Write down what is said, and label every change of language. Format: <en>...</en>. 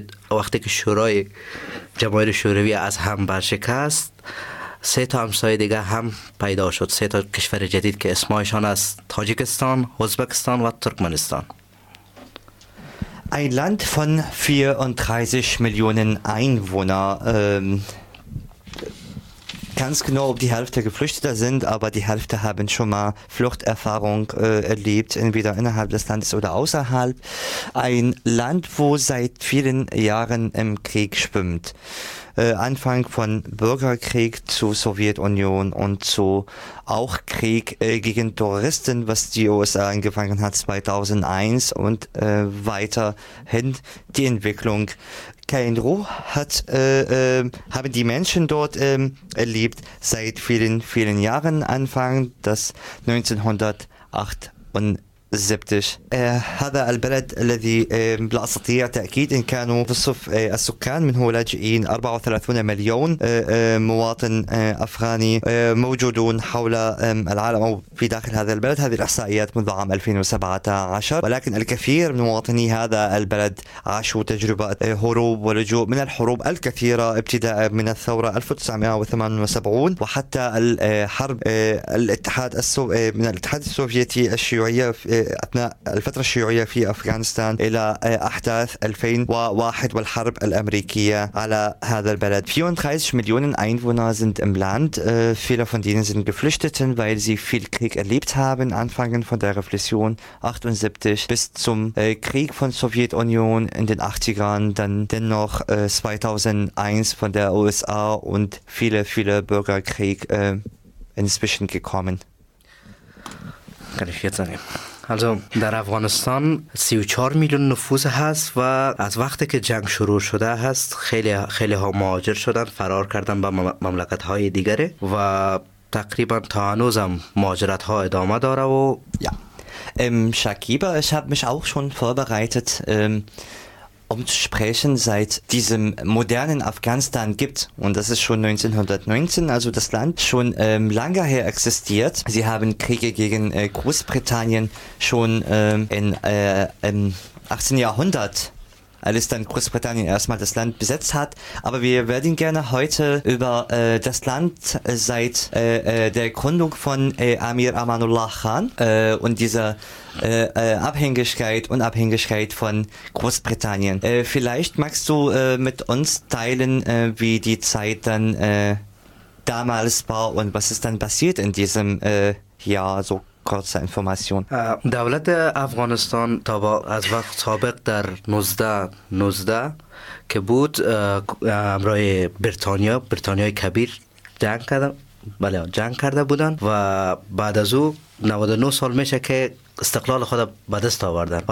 <fa>وقتی که شورای جماهیر شوروی از هم برشکست، 3 تا همسایه دیگه هم پیدا شد، 3 تا کشور جدید که اسمایشان از تاجیکستان، ازبکستان و ترکمنستان.</fa> <de>این لند فن 34 میلیونن اینوونا، ganz genau, ob die Hälfte Geflüchteter sind, aber die Hälfte haben schon mal Fluchterfahrung erlebt, entweder innerhalb des Landes oder außerhalb. Ein Land, wo seit vielen Jahren im Krieg schwimmt. Anfang von Bürgerkrieg zu Sowjetunion und zu auch Krieg gegen Terroristen, was die USA angefangen hat 2001 und weiterhin die Entwicklung. Kein Ruhe haben die Menschen dort erlebt seit vielen, vielen Jahren, Anfang des 1998. زبتش.</de> <ar>هذا البلد الذي لا أستطيع تأكيد إن كانوا بصف السكان منه لاجئين 34 مليون مواطن أفغاني موجودون حول العالم أو في داخل هذا البلد. هذه الإحصائيات منذ عام 2017، ولكن الكثير من مواطني هذا البلد عاشوا تجربة هروب ولجوء من الحروب الكثيرة ابتداء من الثورة 1978 وحتى الحرب الاتحاد السوفيتي من الاتحاد السوفيتي الشيوعية أثناء الفترة الشيوعية في أفغانستان إلى أحداث 2001 والحرب الأمريكية على هذا البلد. 34 مليون</ar> <de>Einwohner sind im Land. Viele von denen sind Geflüchteten, weil sie viel Krieg erlebt haben, anfangen von der Revolution 78 bis zum Krieg von Sowjetunion in den 80ern, dann dennoch 2001 von der USA und viele, viele Bürgerkrieg inzwischen gekommen. Kann ich jetzt sagen.</de> <fa>Also در افغانستان 34 میلیون نفوس هست و از وقتی که جنگ شروع شده هست خیلی خیلی ها مهاجر شدن، فرار کردن به مملکت های دیگره و تقریبا تا هنوز هم مهاجرت ها ادامه داره و</fa> <de>Shakiba, ich habe mich auch schon vorbereitet um zu sprechen, seit diesem modernen Afghanistan gibt, und das ist schon 1919, also das Land schon lange her existiert. Sie haben Kriege gegen Großbritannien schon im 18. Jahrhundert, als dann Großbritannien erstmal das Land besetzt hat. Aber wir werden gerne heute über das Land seit der Gründung von Amir Amanullah Khan und dieser Abhängigkeit, Unabhängigkeit von Großbritannien. Vielleicht magst du mit uns teilen, wie die Zeit dann damals war und was ist dann passiert in diesem Jahr, so kurze Information.</de> <fa>دولت افغانستان تا از وقت سابق در 1919 که بود امرای بریتانیا، بریتانیای کبیر جنگ کرده، بله جنگ کرده بودن و بعد از او 99 سال میشه که استقلال خود به دست آوردن.</fa>